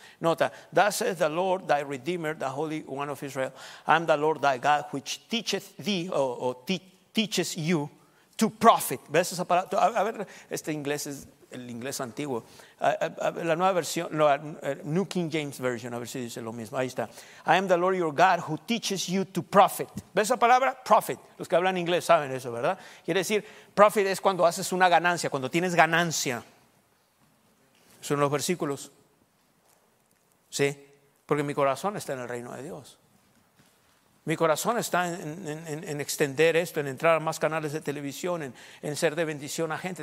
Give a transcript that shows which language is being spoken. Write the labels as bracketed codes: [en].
[en] Nota, thus says the Lord, thy Redeemer, the Holy One of Israel, I'm the Lord thy God, which teacheth thee, teaches you to profit. [es] ¿Ves esa palabra? A ver, este inglés es el inglés antiguo. La nueva versión, no, New King James Version, a ver si dice lo mismo. Ahí está. [en] I am the Lord your God, who teaches you to profit. [es] ¿Ves esa palabra? Profit. Los que hablan inglés saben eso, ¿verdad? Quiere decir, profit es cuando haces una ganancia, cuando tienes ganancia. Son los versículos. ¿Sí? Porque mi corazón está en el reino de Dios. Mi corazón está en extender esto, en entrar a más canales de televisión, en ser de bendición a gente.